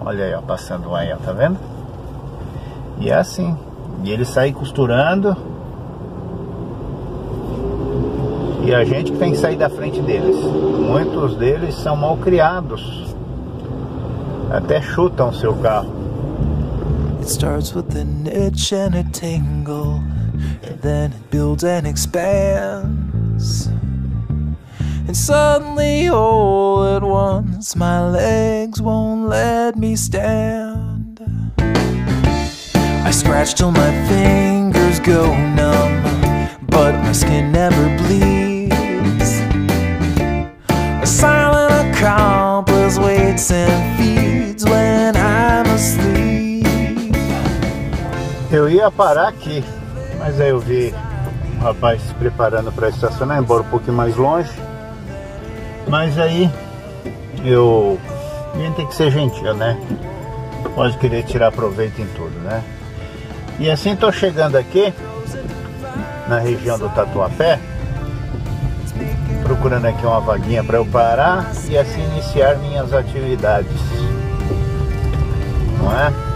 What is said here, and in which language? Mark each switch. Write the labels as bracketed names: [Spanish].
[Portuguese] Olha aí, ó, passando aí, ó, tá vendo? E é assim. E ele sai costurando. E a gente que tem que sair da frente deles. Muitos deles são mal criados. Até chutam seu carro. [English] It starts with an itch and a tingle, then it builds and expands. And suddenly all at once my legs won't let me stand. I scratch till my fingers go numb, but my skin never bleeds. A silent accomplice waits and feeds when I'm asleep. [Portuguese] Eu ia parar aqui, mas aí eu vi um rapaz se preparando para estacionar, embora um pouquinho mais longe. Mas aí, eu... a gente tem que ser gentil, né? Pode querer tirar proveito em tudo, né? E assim, tô chegando aqui, na região do Tatuapé, procurando aqui uma vaguinha para eu parar e assim iniciar minhas atividades. Não é?